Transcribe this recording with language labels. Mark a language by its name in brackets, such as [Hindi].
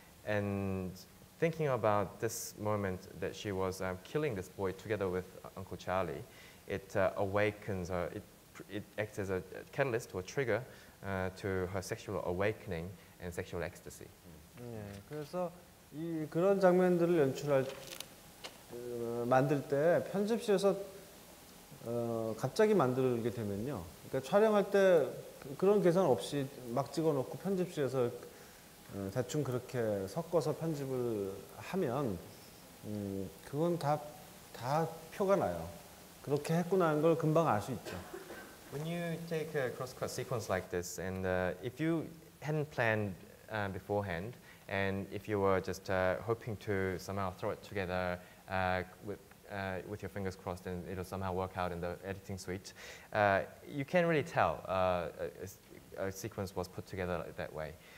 [English] And thinking about this moment that she was killing this boy together with Uncle Charlie, it awakens her, it acts as a catalyst or a trigger to her sexual awakening and sexual ecstasy. [Korean] 네, 그래서 이 그런 장면들을 연출할 만들 때 편집실에서 갑자기 만들게 되면요. 그러니까 촬영할 때 그런 계산 없이 막 찍어놓고 편집실에서 대충 그렇게 섞어서 편집을 하면 그건 다 표가 나요. 그렇게 했구나 하는 걸 금방 알 수 있죠. [English] When you take a cross-cut sequence like this, and if you hadn't planned beforehand, and if you were just hoping to somehow throw it together with your fingers crossed, and it'll somehow work out in the editing suite, you can't really tell a sequence was put together like that way.